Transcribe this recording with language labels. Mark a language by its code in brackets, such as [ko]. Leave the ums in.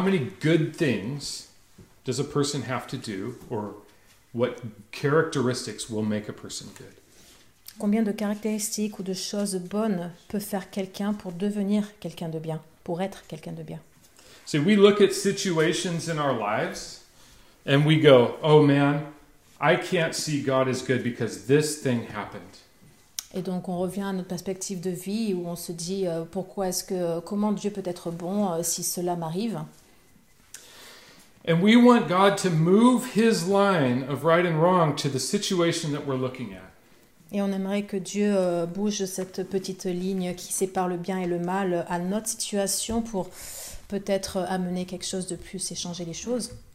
[en] many good things does a person have to do, or what characteristics will make a person good [fr] combien de caractéristiques ou de choses bonnes peut faire quelqu'un pour devenir quelqu'un de bien, pour être quelqu'un de bien. [en] See, so we look at situations in our lives and we go, oh man, I can't see God as good because this thing happened. [fr] Et donc on revient à notre perspective de vie où on se dit euh, pourquoi est-ce que comment Dieu peut être bon euh, si cela m'arrive. [en] And we want God to move his line of right and wrong to the situation that we're looking at. [fr] Et on aimerait que Dieu bouge cette petite ligne qui sépare le bien et le mal à notre situation pour peut-être amener quelque chose de plus et changer les choses.